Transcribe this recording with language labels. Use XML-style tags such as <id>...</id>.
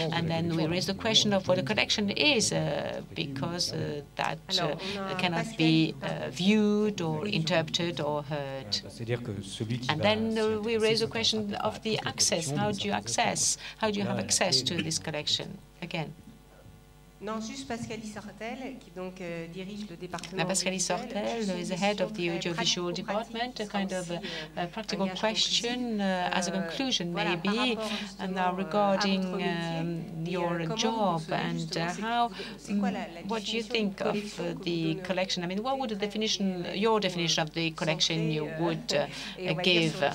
<en>And then we raise the question of what a collection is, because that cannot be viewed or interpreted or heard. And then we raise the question of the access. How do you access? How do you have access to this collection? Again.</en> <fr>Non, juste Pascalie Sortel, qui donc dirige le département.</fr> <en>Pascalie Sortel is the head of the audiovisual department. A kind of a practical question as a conclusion, maybe, and now regarding your job and how. What do you think of the collection? I mean, what would the definition, your definition of the collection, you would give?</en>